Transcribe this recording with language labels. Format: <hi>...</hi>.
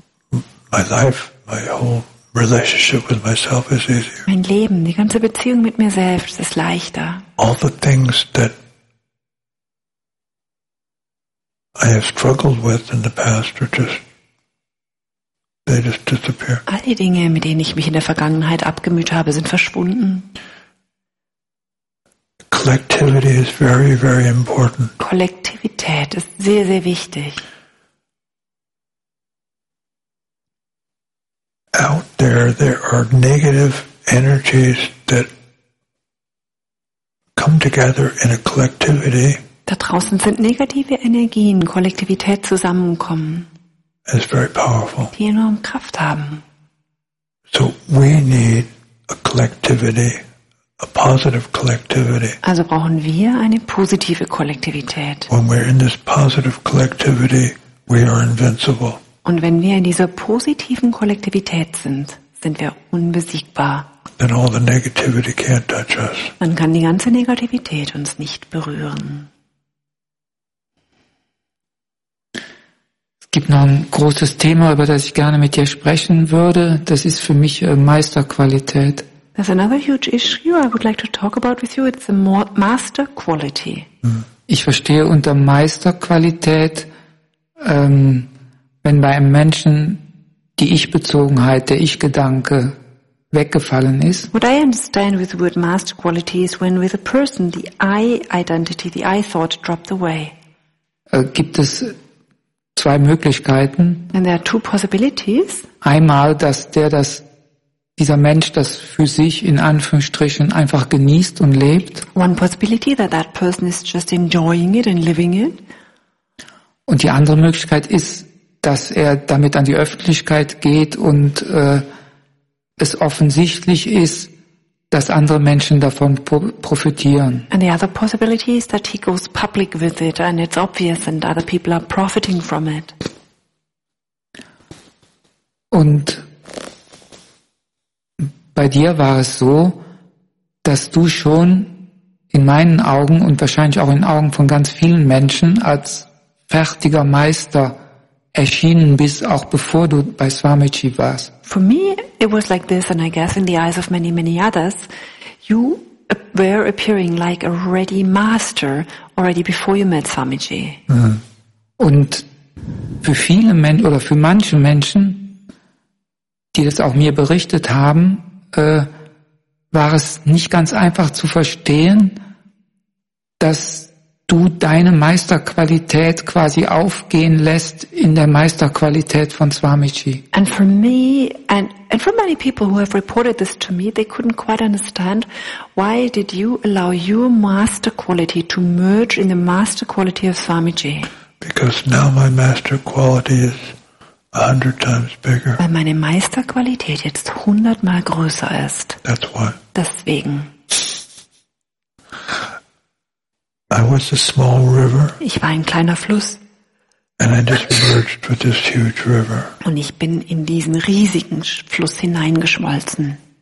<en>My life, my whole relationship with myself is easier.</en> <de>Mein Leben, die ganze Beziehung mit mir selbst ist leichter.</de> <en>All the things that I have struggled with in the past are just disappear.</en> <de>All die Dinge, mit denen ich mich in der Vergangenheit abgemüht habe, sind verschwunden.</de> <en>Collectivity is very, very important.</en> <de>Kollektivität ist sehr, sehr wichtig.</de> <en>Out there are negative energies that come together in a collectivity.</en> <de>Da draußen sind negative Energien, Kollektivität zusammenkommen.</de> <en>It's very powerful.</en> <de>Die enorm Kraft haben.</de> <en>So we need a collectivity. A positive collectivity.</en> <de>Also brauchen wir eine positive Kollektivität.</de> <en>When we're in this positive collectivity, we are invincible.</en> <de>Und wenn wir in dieser positiven Kollektivität sind, sind wir unbesiegbar.</de> <en>Then all the negativity can't touch us.</en> <de>Dann kann die ganze Negativität uns nicht berühren. Es gibt noch ein großes Thema, über das ich gerne mit dir sprechen würde. Das ist für mich Meisterqualität.</de> <en>There's another huge issue I would like to talk about with you. It's the master quality.</en> <de>Ich verstehe unter Meisterqualität, wenn bei einem Menschen die Ich-Bezogenheit, der Ich-Gedanke weggefallen ist.</de> <en>What I understand with the word master quality is when with a person the I-Identity, the I-Thought dropped away.</en> <de>Gibt es zwei Möglichkeiten.</de> <en>And there are two possibilities.</en> <de>Einmal, dass dieser Mensch das für sich in Anführungsstrichen einfach genießt und lebt.</de> <en>One possibility that person is just enjoying it and living it.</en> <de>Und die andere Möglichkeit ist, dass er damit an die Öffentlichkeit geht und es offensichtlich ist, dass andere Menschen davon profitieren.</de> <en>And the other possibility is that he goes public with it and it's obvious and other people are profiting from it.</en> <de>Und bei dir war es so, dass du schon in meinen Augen und wahrscheinlich auch in Augen von ganz vielen Menschen als fertiger Meister erschienen bist, auch bevor du bei Swamiji warst.</de> <en>For me, it was like this, and I guess in the eyes of many, many others, you were appearing like a ready master already before you met Swamiji.</en> <de>Und für viele Menschen oder für manche Menschen, die das auch mir berichtet haben, war es nicht ganz einfach zu verstehen, dass du deine Meisterqualität quasi aufgehen lässt in der Meisterqualität von Swamiji.</de> <en>And for me, and for many people who have reported this to me, they couldn't quite understand why did you allow your master quality to merge in the master quality of Swamiji. Because now my master quality is 100 times bigger.</en> <de>Weil meine Meisterqualität jetzt 100 mal größer ist.</de> <en>That's why.</en> <de>Deswegen.</de> <en>I was a small river.</en> <de>Ich war ein kleiner Fluss.</de> <en>And I just merged with this huge river.</en> <de>Und ich bin in diesen riesigen Fluss hineingeschmolzen.</de>